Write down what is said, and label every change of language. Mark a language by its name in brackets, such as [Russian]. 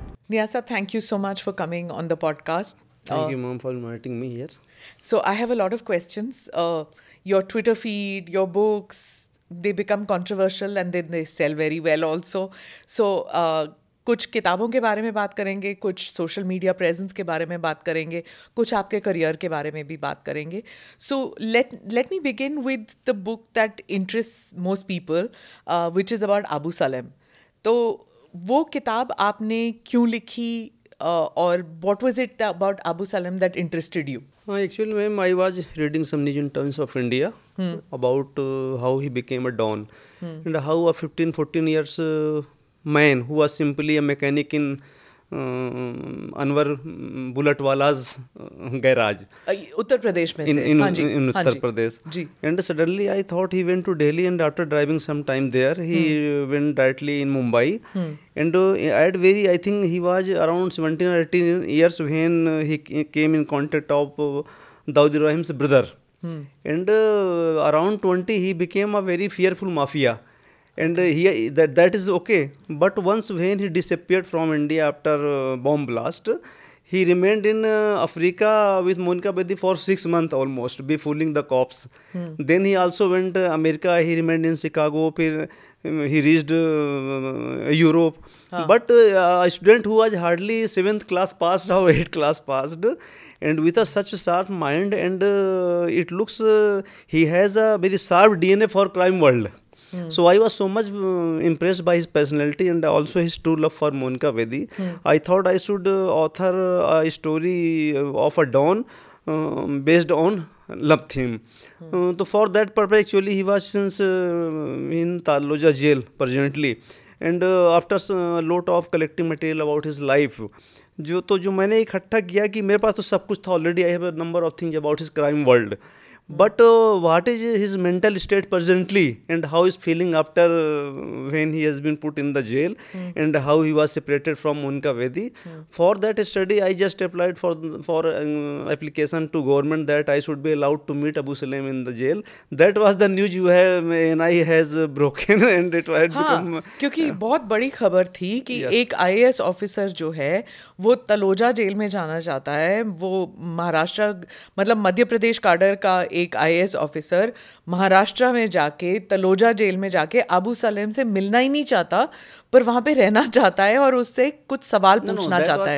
[English] Niyaz sir, thank you so much for coming on the podcast. Thank you, ma'am, for inviting me here. So I have a lot of questions. Your Twitter feed, your books, they become controversial and then they sell very well also. [Hindi] So कुछ किताबों के बारे में बात करेंगे, कुछ social media presence के बारे में बात करेंगे, कुछ आपके करियर के बारे में भी बात करेंगे. [English] So let me begin with the book that interest most people, which is about Abu Salem. [Hindi] तो वो किताब आपने क्यों लिखी और [English] What was it about Abu Salem that interested you? Actually ma'am, I was reading some news in terms of India about how he became a don and how a 15-14 years man who was simply a mechanic in Anwar Bulletwala's garage [Hindi] Uttar Pradesh में, [English] in Uttar Pradesh [Hindi] जी. [English] And suddenly I thought he went to Delhi and after driving some time there he went directly in Mumbai and at very I think he was around 17 or 18 years when he came in contact of Dawood Ibrahim's brother and around 20 he became a very fearful mafia. And that is okay. But once when he disappeared from India after bomb blast, he remained in Africa with Monica Bedi for 6 months almost, befooling the cops. Then he also went to America. He remained in Chicago. Then he reached Europe. But a student who was hardly 7th class passed or 8th class passed, and with a such a sharp mind, and it looks he has a very sharp DNA for crime world. So I was so much impressed by his personality and also his true love for Monica Bedi. I thought I should author a story of a dawn based on love theme. So for that purpose, actually he was since in Taloja jail presently. And after a lot of collecting material about his life, [Hindi] जो मैंने इकट्ठा किया कि मेरे पास तो सब कुछ था already, [English] I have a number of things about his crime world. But what is his mental state presently and how is feeling after when he has been put in the jail and how he was separated from Monica Bedi. For that study, I just applied for application to government that I should be allowed to meet Abu Salem in the jail. That was the news you have and I has broken and it had become... [Hindi] क्योंकि बहुत बड़ी खबर थी कि एक IAS officer जो है वो तलोजा जेल में जाना चाहता है, वो महाराष्ट्र मतलब मध्य प्रदेश काडर का एक IAS ऑफिसर महाराष्ट्र में जाके तलोजा जेल में जाके अबू सलेम से मिलना ही नहीं चाहता, पर वहां पे रहना चाहता है और उससे कुछ सवाल पूछना चाहता है.